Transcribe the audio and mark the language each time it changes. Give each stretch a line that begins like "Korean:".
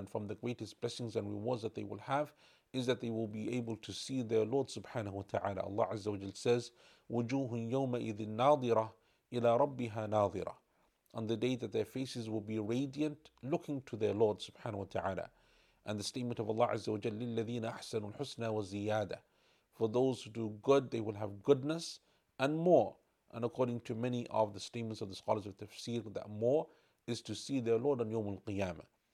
English: And from the greatest blessings and rewards that they will have is that they will be able to see their Lord Subhanahu Wa Ta'ala.
Arabic: Allah Azza wa Jalla says, وَجُوهٌ يَوْمَئِذٍ نَاظِرَةٌ إِلَىٰ رَبِّهَا نَاظِرَةٌ.
English: On the day that their faces will be radiant, looking to their Lord Subhanahu Wa Ta'ala. And the statement of Allah Azza wa Jalla,
Arabic: لِلَّذِينَ أَحْسَنُوا الْحُسْنَى وَزِيَادَةٌ.
English: For those who do good, they will have goodness and more. And according to many of the statements of the scholars of Tafsir, that more is to see their Lord on Yawm Al-Qiyamah.